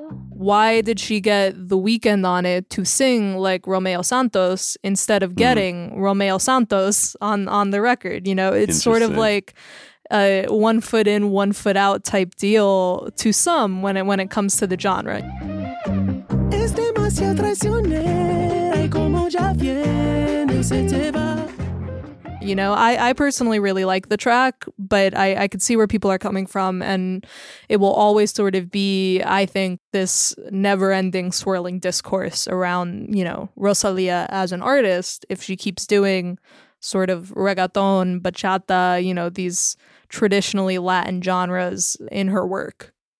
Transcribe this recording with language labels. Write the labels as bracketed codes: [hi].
[en] Why did she get The Weeknd on it to sing like Romeo Santos instead of getting Romeo Santos on the record? You know, it's sort of like a one foot in, one foot out type deal to some when it comes to the genre. [es] demasiado traicionera y como ya viene se te va. [en] You know, I personally really like the track, but I could see where people are coming from, and it will always sort of be, I think, this never-ending swirling discourse around, you know, Rosalía as an artist, if she keeps doing sort of reggaeton, bachata, you know, these traditionally Latin genres in her work.